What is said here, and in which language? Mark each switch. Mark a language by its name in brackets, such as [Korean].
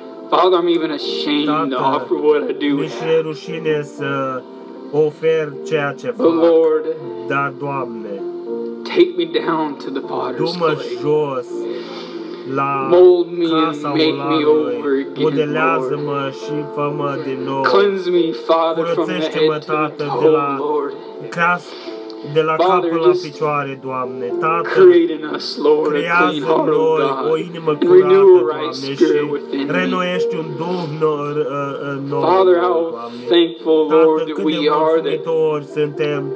[English] Father, I'm even ashamed to offer what I do have. [Romanian] Mi-e rușine să ofer ceea ce fac. [English] But Lord, [Romanian] dar Doamne, [English] take me down to the potter's clay. [Romanian] Du-mă jos la [English] mold me and make me over again. [Romanian] Modelează-mă și fă-mă din nou. [English] Cleanse me, Father, from the head to the toe, Lord. [Romanian] De la capul la picioare, Doamne, Tată, [English] create in us, Lord, [Romanian] creează în noi o inimă curată, Doamne, și renoiește un duh nou, Doamne. Tată, cât de mulțumitori suntem,